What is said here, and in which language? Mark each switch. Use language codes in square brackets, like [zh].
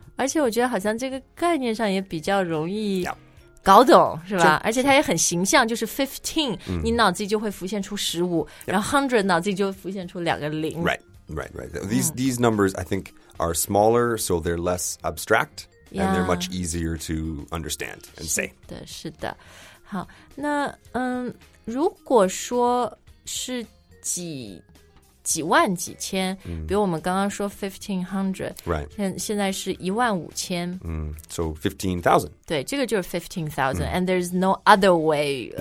[zh] 而且我觉得好像这个概念上也比较容易搞懂、 [en] yeah. [zh] 是吧、 [en] sure. [zh] 而且它也很形象就是 15、mm. 你脑子就会浮现出15、 [en] yep. [zh] 然后100脑子就浮现出两个零 [en] Right. These numbers I think are smaller so they're less abstract、 yeah. and they're much easier to understand and say [zh] 是的是的好那嗯，如果说是几万几千、 mm. 比如我们刚刚说 1500、 [en] right. [zh] 现在是一万五千、 [en] mm. So 15,000 [zh] 对这个就是 [en] 15,000、mm. And there's no other way of、